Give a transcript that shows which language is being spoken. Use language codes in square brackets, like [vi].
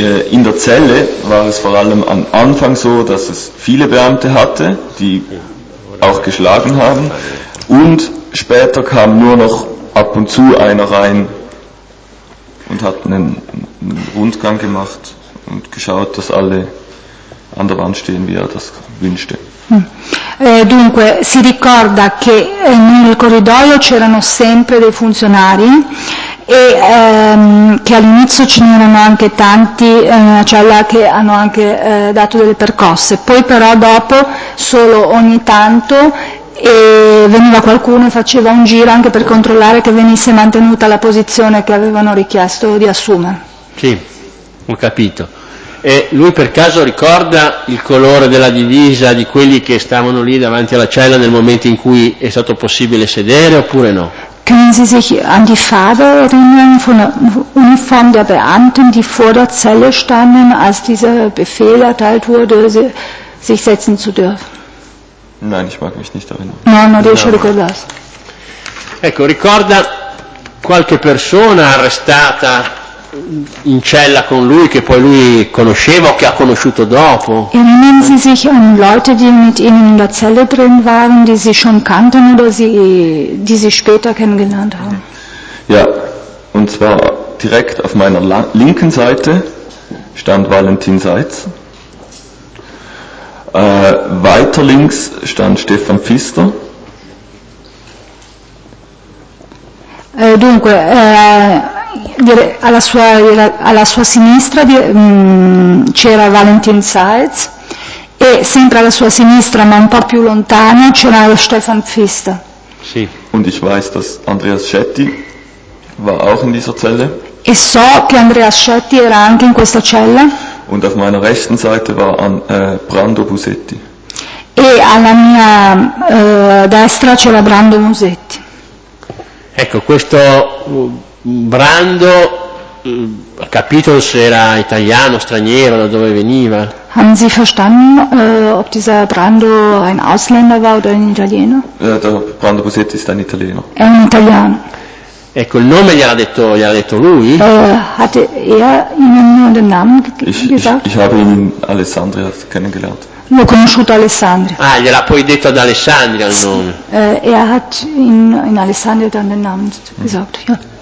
[de] In der Zelle war es vor allem am Anfang so, dass es viele Beamte hatte, die auch geschlagen haben, und später kam nur noch ab und zu einer rein und hat einen Rundgang gemacht und geschaut, dass alle an der Wand stehen, wie er das wünschte. [it] Dunque, si ricorda che nel corridoio c'erano sempre dei funzionari e che all'inizio ce n'erano anche tanti nella cella che hanno anche dato delle percosse. Poi però dopo, solo ogni tanto, e veniva qualcuno e faceva un giro anche per controllare che venisse mantenuta la posizione che avevano richiesto di assumere. Sì, ho capito. E lui per caso ricorda il colore della divisa di quelli che stavano lì davanti alla cella nel momento in cui è stato possibile sedere oppure no? [de] Können Sie sich an die Farbe erinnern von der Uniform der Beamten, die vor der Zelle standen, als dieser Befehl erteilt wurde, sich setzen zu dürfen? Nein, ich mag mich nicht erinnern. [it] No, non riesce a ricordarsi. Ecco, ricorda qualche persona arrestata in cella con lui che poi lui conosceva o che ha conosciuto dopo? [de] Erinnern Sie sich an Leute, die mit Ihnen in der Zelle drin waren, die Sie schon kannten oder die Sie später kennengelernt haben? Ja, und zwar direkt auf meiner linken Seite stand Valentin Seitz. Weiter links stand Stefan Pfister. [it] Dunque, alla sua sinistra c'era Valentin Seitz e sempre alla sua sinistra, ma un po' più lontano, c'era Stefan Pfister. Sì. [de] Und ich weiß, dass Andreas Schetti war auch in dieser Zelle. [it] E so che Andreas Schetti era anche in questa cella. [de] Und auf meiner rechten Seite war Brando Busetti. [it] E alla mia destra c'era Brando Busetti. Ecco, questo Brando, ha capito se era italiano, straniero, da dove veniva? [de] Haben Sie verstanden, ob dieser Brando ein Ausländer war oder ein Italiener? Brando Busetti ist ein Italiener. [it] È un italiano. Ecco, il nome gliel'ha detto lui? [de] Hatte er Ihnen nur den Namen gesagt? Ich habe ihn Alessandria kennengelernt. [it] L'ho conosciuto Alessandria. Ah, gliel'ha poi detto ad Alessandria il nome? [de] Er hat in Alessandria dann den Namen gesagt, ja.